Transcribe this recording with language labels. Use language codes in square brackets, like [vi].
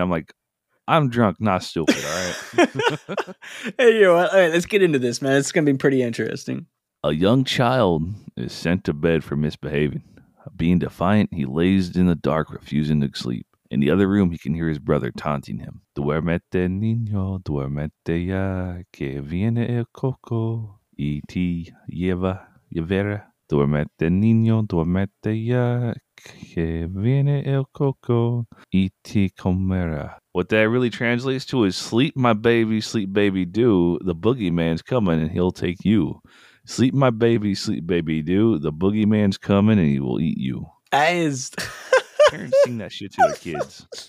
[en] I'm like, I'm drunk, not stupid, all right? Hey, you know what? All right, let's get into this, man. It's going to be pretty interesting. A young child is sent to bed for misbehaving. Being defiant, he lays in the dark, refusing to sleep. In the other room, he can hear his brother taunting him. [es] Duermete, niño, duermete ya, que viene el coco, y te lleva, llevera. Duermete, niño, duermete ya, que viene el coco, y te comerá. [en] What that really translates to is, sleep, baby, do. The boogeyman's coming and he'll take you. Sleep, baby, do. The boogeyman's coming and he will eat you. Parents sing that shit to their kids.